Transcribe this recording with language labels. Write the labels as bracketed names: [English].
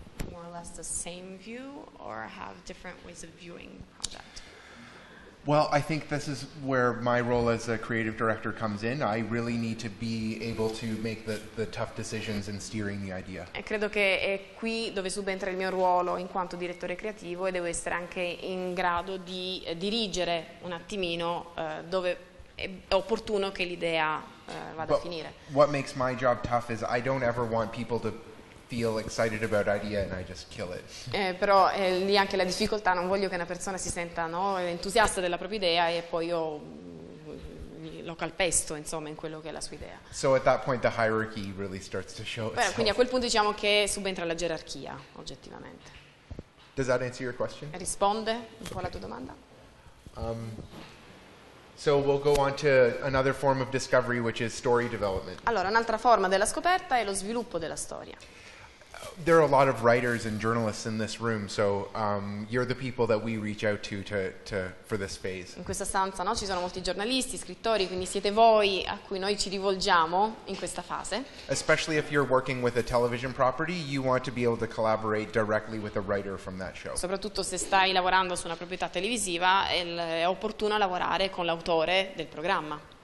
[English] More or less the same view or have different ways of viewing the project? Well, I think this is where my role as a creative director comes in. I really need to be able to make the tough decisions in steering the idea. [Italian] E credo che è qui dove subentra il mio ruolo in quanto direttore creativo e devo essere anche in grado di dirigere un attimino dove è opportuno che l'idea vada [English] But [Italian] a finire. [English] What makes my job tough is I don't ever want people to feel excited about idea and I just kill it. [Italian] Però lì anche la difficoltà, non voglio che una persona si senta, no, entusiasta della propria idea e poi io lo calpesto, insomma, in quello che è la sua idea. [English] So at that point the hierarchy really starts to show itself. [Italian] Quindi a quel punto diciamo che subentra la gerarchia, oggettivamente. [English] Does that answer your question? [Italian] Risponde un po' alla tua domanda. [English] So we'll go on to another form of discovery, which is story development. [Italian] Allora, un'altra forma della scoperta è lo sviluppo della storia. [English] There are a lot of writers and journalists in this room, so you're the people that we reach out to for this phase. [Italian] In questa stanza, no, ci sono molti giornalisti, scrittori, quindi siete voi a cui noi ci rivolgiamo in questa fase. [English] Especially if you're working with a television property, you want to be able to collaborate directly with a writer from that show. [Italian] Soprattutto se stai lavorando su una proprietà televisiva, è opportuno lavorare con l'autore del programma.